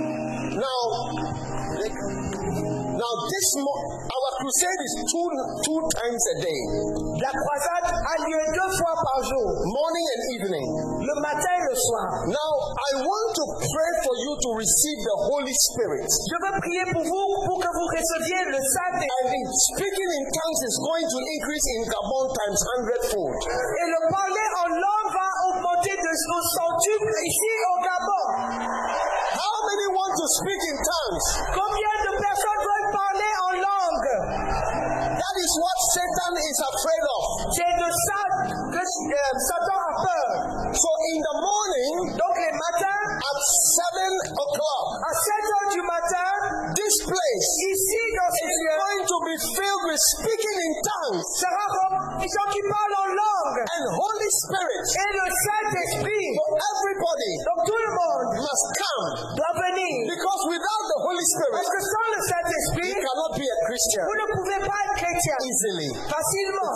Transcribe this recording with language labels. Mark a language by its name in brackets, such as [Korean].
[English] Now this our crusade is two times a day. [French] La croisade a lieu deux fois par jour. [English] Morning and evening. [French] Le matin et le soir. [English] Now I want to pray for you to receive the Holy Spirit. [French] Je veux prier pour vous pour que vous receviez le Saint-Esprit. [English] And speaking in tongues is going to increase in Gabon times 100-fold. [French] Et le parler en langue va augmenter de 100-fold ici au Gabon. [English] How many want to speak in tongues? [French] Combien de personnes veulent parler en langue? [English] That is what Satan is afraid of. [French] C'est de ça que Satan a peur. [English] So in the morning, [French] donc le matin, [English] at 7 o'clock, [French] à 7 heures du matin, [English] this place [French] ici dans ce lieu, [English] going to be filled with speaking in tongues. [French] Sera rempli de gens qui parlent en langue. [English] And Holy Spirit, [French] et le Saint-Esprit, [English] for everybody, [French] donc tout le monde, [English] must come, [French] doit venir. [English] Because without the Holy Spirit, [French] parce que sans le Saint-Esprit, [English] you cannot be a Christian. [French] Vous ne pouvez pas être chrétien. [English] Easily, [French] facilement.